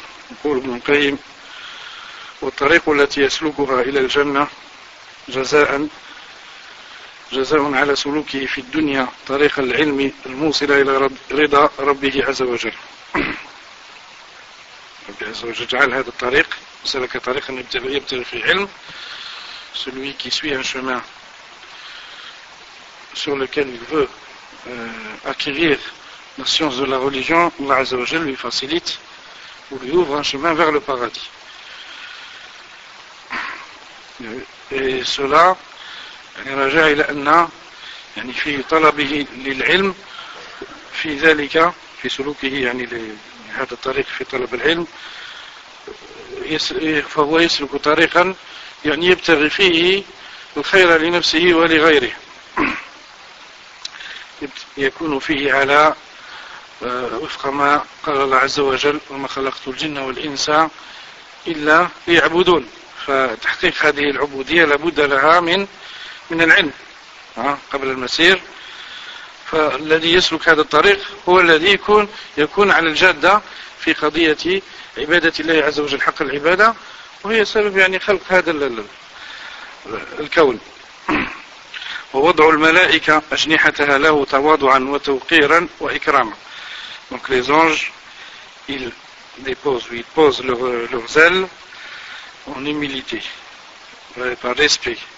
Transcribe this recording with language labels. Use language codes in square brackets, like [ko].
[ar] يقول ابن القيم: والطريق التي يسلكها إلى الجنة جزاء على سلوكه في الدنيا طريق العلم الموصل إلى رضا ربه عز وجل. ربي عز وجل جعل هذا الطريق، سلك طريقا يبتغي في علم، [fr] celui qui suit un chemin sur lequel il veut acquérir la science de la religion, Allah عز وجل lui facilite ou lui ouvre un chemin vers le paradis. Et cela [ar] يعني رجع إلى أن يعني في طلبه للعلم في ذلك في سلوكه يعني لهذا الطريق في طلب العلم فهو يسلك طريقا يعني يبتغي فيه الخير لنفسه ولغيره، يكون فيه على وفق ما قال الله عز وجل: وما خلقت الجن والإنس إلا ليعبدون. فتحقيق هذه العبودية لابد لها من العلم قبل المسير. فالذي يسلك هذا الطريق هو الذي يكون على الجادة في قضية عبادة الله عز وجل، حق العبادة، وهي سبب يعني خلق هذا الكون. ووضع الملائكة أجنحتها له تواضعا وتوقيرا وإكراما. [fr] Donc les anges ils posent leurs ailes en humilité, par respect.